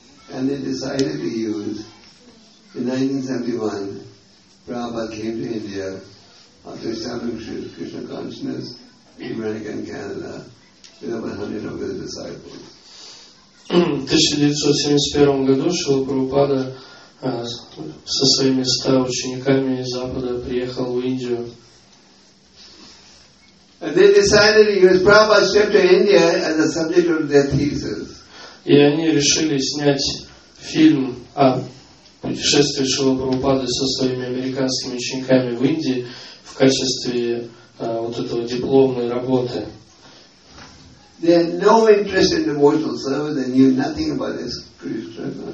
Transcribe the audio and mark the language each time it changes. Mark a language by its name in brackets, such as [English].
[English] And they decided to use in 1971 Prabhupada came to India after establishing Krishna consciousness in America and Canada with about 100 of his disciples. [Russian] В 1971 году Шрила Прабхупада со своими 100 учениками из Запада приехал в Индию. [English] And they decided to use Prabhupada's trip to India as the subject of their thesis. [Russian] И они решили снять фильм о путешествии Шрилы Прабхупады со своими американскими учениками в Индии в качестве вот этого дипломной работы. [English] They had no interest in devotional service. They knew nothing about this Krishna.